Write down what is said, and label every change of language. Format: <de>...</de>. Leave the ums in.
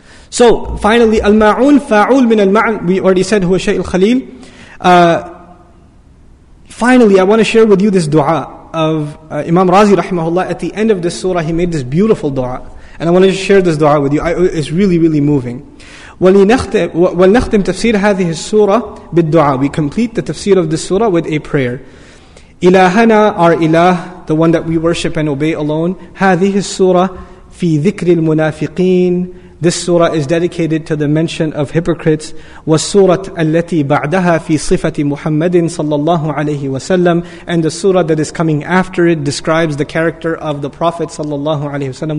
<en>So, finally,</en> <ar>al ma'un fa'ul min al ma'un.</ar> <en>We already said</en> <ar>huwa shay al khalil.</ar> <en>Uh, finally, I want to share with you this dua of uh, Imam Razi rahimahullah. At the end of this surah, he made this beautiful dua. And I want to share this dua with you. I, it's really, really moving.</en> <ar>ولنختم, ولنختم تفسير هذه السورة بالدعاء.</ar> <en>We complete the tafsir of this surah with a prayer. إلهنا our إله the one that we worship and obey alone</en> <ar>هذه السورة في ذكر المنافقين</ar> <en>This surah is dedicated to the mention of hypocrites.</en> <ar>والسورة التي بعدها في صفة محمد صلى الله عليه وسلم</ar> <en>and the surah that is coming after it describes the character of the Prophet صلى الله عليه وسلم.</en>